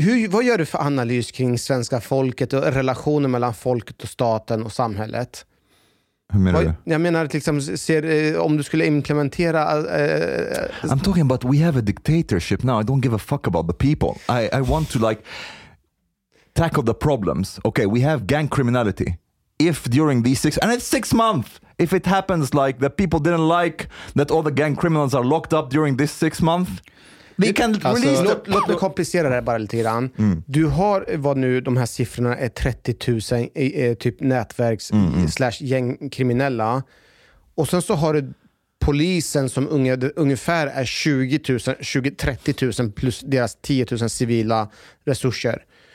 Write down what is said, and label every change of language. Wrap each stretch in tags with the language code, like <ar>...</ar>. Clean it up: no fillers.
<sv>Vad gör du för analys kring svenska folket och relationen mellan folket och staten och samhället? Hur menar du? Jag menar att liksom, om du skulle implementera...</sv> <en>I'm talking about we have a dictatorship now. I don't give a fuck about the people. I want to like tackle the problems. Okay, we have gang criminality. If during these six... And it's 6 months! If it happens like the people didn't like that all the gang criminals are locked up during this 6 month, they can release them.</en> <sv>Låt mig komplicera det här bara lite grann. Mm. Du har vad nu de här siffrorna är 30 000 typ nätverks / gängkriminella. Och sen så har du polisen som ungefär är 30 000 plus deras 10 000 civila resurser.</sv>